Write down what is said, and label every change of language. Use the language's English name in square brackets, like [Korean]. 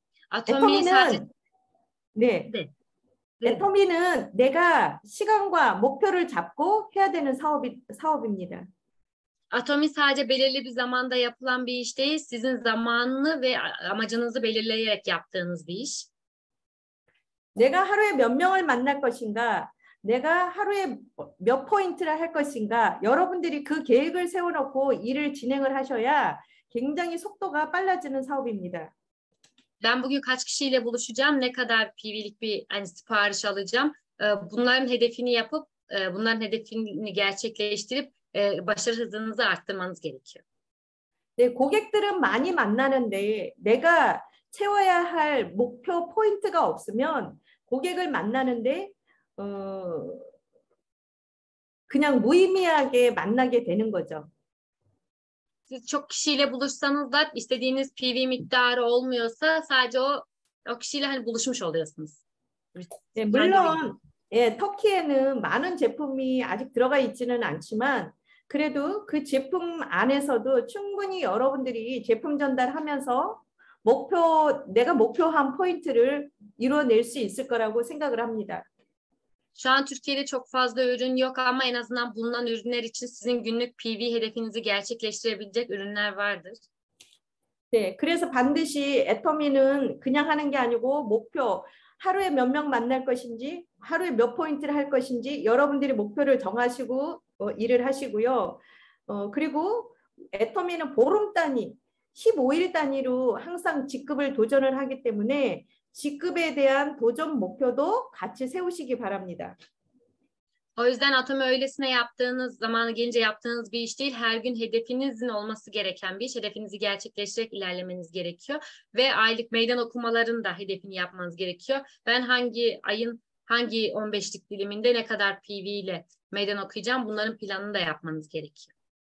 [Korean] 아토미 사진 애터미는 네. 네. 네. 애터미는 내가 시간과 목표를 잡고 해야 되는 사업입니다. [Turkish] 아토미 sadece belirli bir zamanda yapılan bir iş değil, sizin zamanını ve amacınızı belirleyerek yaptığınız bir iş. [Korean] 내가 하루에 몇 명을 만날 것인가, 내가 하루에 몇 포인트를 할 것인가, 여러분들이 그 계획을 세워놓고 일을 진행을 하셔야 굉장히 속도가 빨라지는 사업입니다. [Turkish] Ben bugün kaç kişiyle buluşacağım, ne kadar PV'lik bir sipariş alacağım, bunların hedefini gerçekleştirip başarı hızınızı arttırmanız gerekiyor. [Korean] 네, 고객들은 많이 만나는데 내가 채워야 할 목표 포인트가 없으면 고객을 만나는데 그냥 무의미하게 만나게 되는 거죠. [Turkish] Siz çok kişiyle buluşsanız da istediğiniz PV miktarı olmuyorsa sadece o kişiyle hani buluşmuş oluyorsunuz. [Korean] 네, [Turkish] Sadece bir [Korean] 물론 터키에는 많은 제품이 아직 들어가 있지는 않지만 그래도 그 제품 안에서도 충분히 여러분들이 제품 전달하면서 내가 목표한 포인트를 이뤄낼 수 있을 거라고 생각을 합니다. [Turkish] Şu an Türkiye'de çok fazla ürün yok ama en azından bulunan ürünler için sizin günlük PV hedefinizi gerçekleştirebilecek ürünler vardır. [Korean] 네, 그래서 반드시 애터미는 그냥 하는 게 아니고 목표, 하루에 몇명 만날 것인지, 하루에 몇 포인트를 할 것인지 여러분들이 목표를 정하시고 일을 하시고요. 그리고 애터미는 보름 단위, 15일 단위로 항상 직급을 도전을 하기 때문에 직급에 대한 도전 목표도 같이 세우시기 바랍니다. [Turkish] O yüzden atom öylesine yaptığınız, zamanı gelince yaptığınız bir iş değil, her gün hedefinizin olması gereken bir iş. Hedefinizi gerçekleştirerek ilerlemeniz gerekiyor. Ve aylık meydan okumaların da hedefini yapmanız gerekiyor. Ben hangi ayın hangi 15'lik diliminde ne kadar PV ile meydan okuyacağım, bunların planını da yapmanız gerekiyor.